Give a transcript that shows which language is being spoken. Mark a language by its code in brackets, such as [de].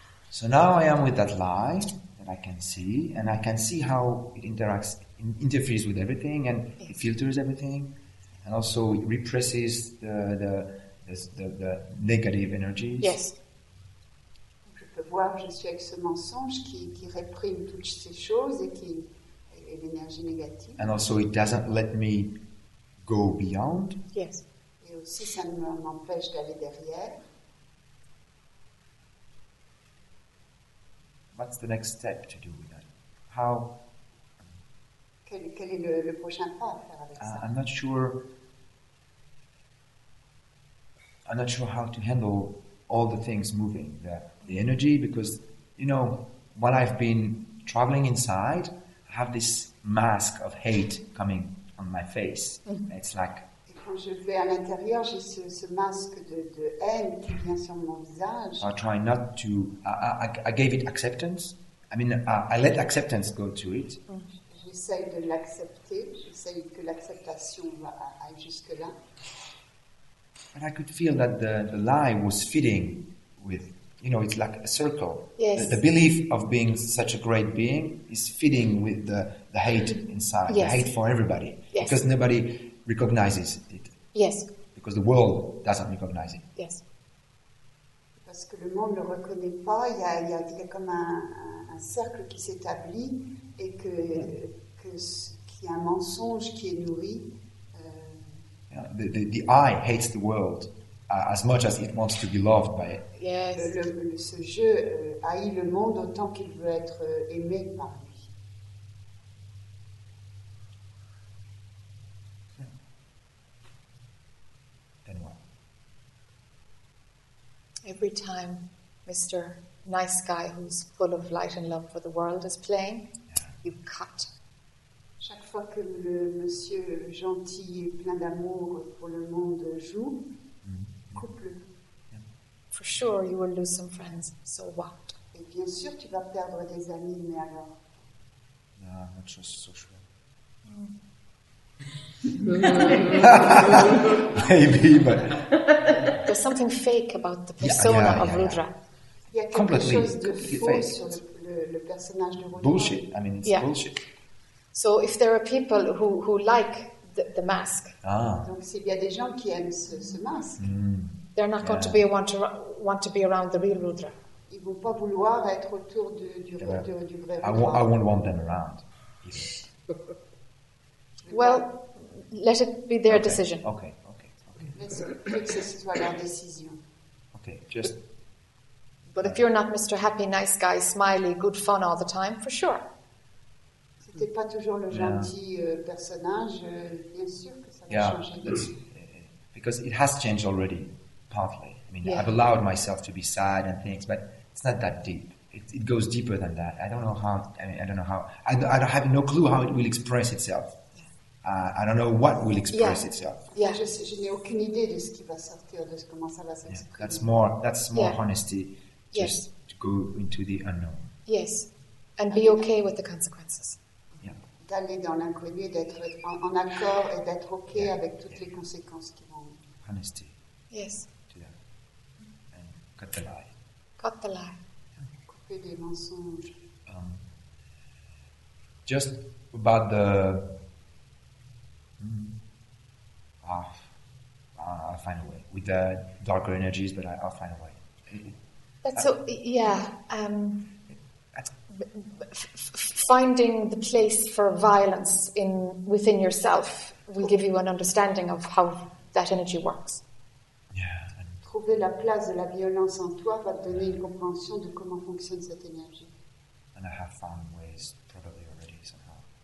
[en] So now I am with that lie that I can see, and I can see how it interferes with everything, and it filters everything, and also it represses the negative energies. Yes. [fr] Je peux voir, je suis avec ce mensonge qui réprime toutes ces choses et qui est l'énergie négative. [en] And also it doesn't let me go beyond. Yes. [fr] Et aussi ça ne m'empêche d'aller derrière. [en] What's the next step to do with that? How? [fr] Quel est le prochain pas à faire avec ça? [en] I'm not sure how to handle all the things moving, the energy, because, you know, while I've been traveling inside, I have this mask of hate coming on my face. Mm-hmm. It's like... [fr] Et quand je vais à l'intérieur, j'ai ce masque de haine qui vient sur mon visage. [en] I try not to... I gave it acceptance. I mean, I let acceptance go to it. [fr] Mm-hmm. J'essaie de l'accepter. J'essaie que l'acceptation aille jusque-là. [en] And I could feel that the lie was fitting with, you know, it's like a circle. Yes. The belief of being such a great being is fitting with the hate inside, yes. The hate for everybody. Yes. Because nobody recognizes it. Yes. Because the world doesn't recognize it. Yes. [fr] Parce que le monde ne reconnaît pas, il y a comme un cercle qui s'établit et qu'il y a un mensonge qui est nourri. [en] The eye hates the world as much as it wants to be loved by it. Yes. [fr] Ce jeu haït le monde autant qu'il veut être aimé par lui. [en] Then what? Every time Mr. Nice Guy, who's full of light and love for the world, is playing, you cut. [fr] Chaque fois que le monsieur gentil et plein d'amour pour le monde joue, coupe-le. [en] For sure, you will lose some friends, so what? [fr] Et bien sûr, tu vas perdre des amis, mais alors? [en] No, I'm not just so sure. Maybe, but... There's something fake about the persona of Rudra. [fr] Il y a quelque [en] completely [fr] chose de faux sur le personnage de Rudra. [en] Bullshit, I mean, it's bullshit. So if there are people who like the mask, [fr] donc s'il y a des gens qui aiment ce masque, [en] they're not going to be want to be around the real Rudra. [fr] Ils vont pas vouloir être autour du vrai Rudra. [en] I won't want them around. Well, let it be their decision. Okay. Let's fix this to our decision. Okay, just. But if you're not Mr. Happy, Nice Guy, Smiley, Good Fun all the time, for sure. [fr] T'es pas toujours le gentil personnage, bien sûr que ça va changer. [en] Yeah, because it has changed already, partly. I mean, I've allowed myself to be sad and things, but it's not that deep. It goes deeper than that. I have no clue how it will express itself. I don't know what will express itself. Yeah, [fr] je n'ai aucune idée de ce qui va sortir, de comment ça va s'exprimer. [en] Yeah, that's more honesty, just to go into the unknown. Yes, and be okay with the consequences. [fr] D'aller dans l'inconnu et d'être en accord et d'être ok avec toutes les conséquences qui vont. [en] Honesty. Yes. And cut the lie. Cut the lie. [fr] Couper les mensonges. [en] just about the I'll find a way with the darker energies, but I'll find a way. Finding the place for violence within yourself will give you an understanding of how that energy works. [fr] Trouver la place de la violence en toi va te donner une compréhension de comment fonctionne cette énergie. [en] And I have found ways probably already somehow.